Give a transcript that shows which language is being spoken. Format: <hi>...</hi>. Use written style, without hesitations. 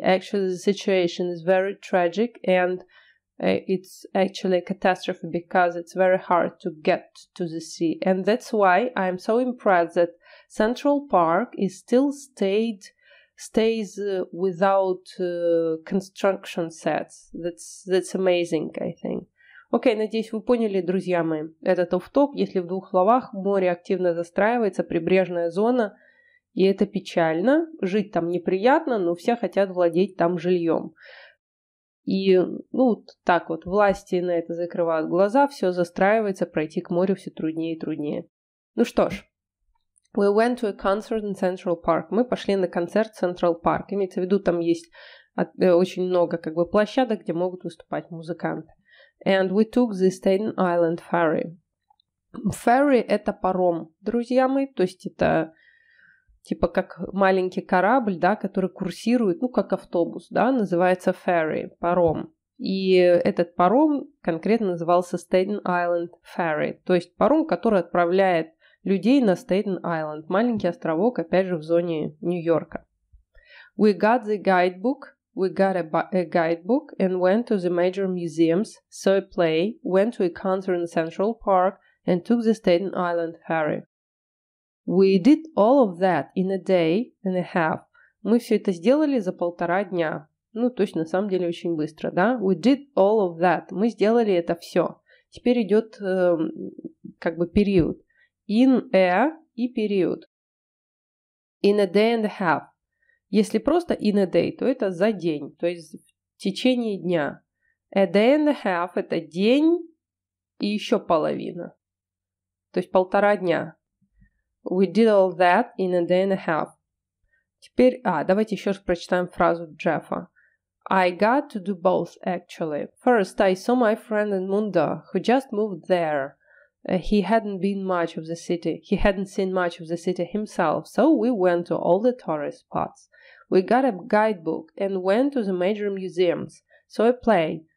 <en>Actually, the situation is very tragic, and it's actually a catastrophe because it's very hard to get to the sea. And that's why I'm so impressed that Central Park is still stays without construction sets. That's amazing, I think.</en> <ru>Окей, надеюсь, вы поняли, друзья мои, этот офф-топ. Если в двух словах, море активно застраивается, прибрежная зона, и это печально. Жить там неприятно, но все хотят владеть там жильем. И, ну, вот так вот, власти на это закрывают глаза, все застраивается, пройти к морю все труднее и труднее. Ну что ж.</ru> <en>We went to a concert in Central Park.</en> <ru>Мы пошли на концерт в Central Park. Имеется в виду, там есть очень много как бы площадок, где могут выступать музыканты.</ru> <en>And we took the Staten Island ferry. Ferry –</en> <ru>это паром, друзья мои. То есть это типа как маленький корабль, да, который курсирует, ну, как автобус, да, называется ferry, паром. И этот паром конкретно назывался Staten Island ferry. То есть паром, который отправляет людей на Staten Island, маленький островок, опять же, в зоне Нью-Йорка.</ru> <en>We got the guidebook. We got a guidebook and went to the major museums, saw a play, went to a concert in Central Park and took the Staten Island ferry. We did all of that in a day and a half.</en> <ru>Мы все это сделали за полтора дня. Ну, то есть, на самом деле, очень быстро, да?</ru> <en>We did all of that.</en> <ru>Мы сделали это все. Теперь идет как бы период.</ru> <en>In a</en> <ru>и период.</ru> <en>In a day and a half.</en> <ru>Если просто in a day, то это за день, то есть в течение дня. A day and a half – это день и еще половина, то есть полтора дня.</ru> <en>We did all that in a day and a half.</en> <ru>Теперь, давайте еще раз прочитаем фразу Джеффа.</ru> <en>I got to do both, actually. First, I saw my friend Edmundo, who just moved there. He hadn't been much of the city. He hadn't seen much of the city himself. So we went to all the tourist spots. We got a guidebook and went to the major museums. Saw a play.</en>